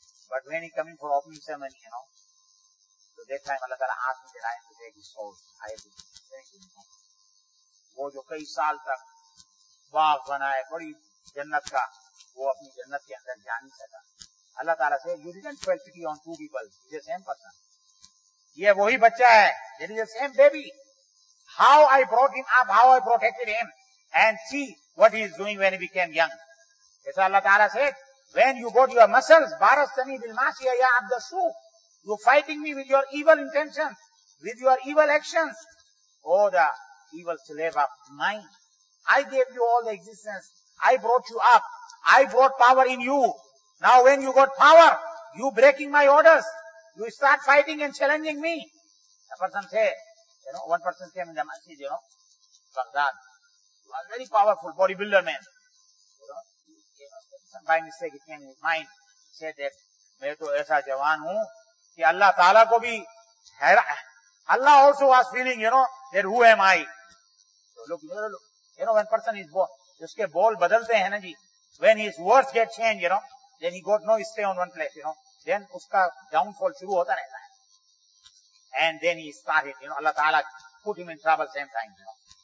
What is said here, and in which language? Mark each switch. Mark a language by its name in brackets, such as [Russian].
[English] But when he coming for opening ceremony, you know, so that time Allah Ta'ala asked me that I am to take his soul. I have to thank him. [Urdu] وہ جو کئی سال تک باغ بنا ہے بڑی جنت کا, وہ اپنی جنت کے اندر جا نہیں سکا. اللہ تعالیٰ سے [English] you didn't feel pity on two people, it's the same person. [Urdu] یہ وہی بچہ ہے, [English] it is the same baby. How I brought him up, how I protected him, and see what he is doing when he became young. That's why Allah تعالیٰ said, when you got your muscles, [Arabic] barastani bil masiya ya abdasu, [English] you fighting me with your evil intentions, with your evil actions. Oh, the evil slave of mine. I gave you all the existence, I brought you up, I brought power in you. Now when you got power, you breaking my orders. You start fighting and challenging me. A person said, you know, one person came in the masjid, you know, Baghdad. He was very powerful, bodybuilder man. You know, by mistake it came in his mind. He said that, [Urdu] میں تو ایسا جوان ہوں کہ اللہ تعالیٰ کو بھی حیران. [English] Allah also was feeling, you know, that who am I? So look, you know, look. You know, when person is born, [Urdu] اس کے بول بدلتے ہیں نا جی, [English] when his words get changed, you know, then he got no stay on one place, you know, then [Urdu] uska downfall shuru hota rehta hai, [English] and then he started, you know, Allah Ta'ala put him in trouble same time, you know.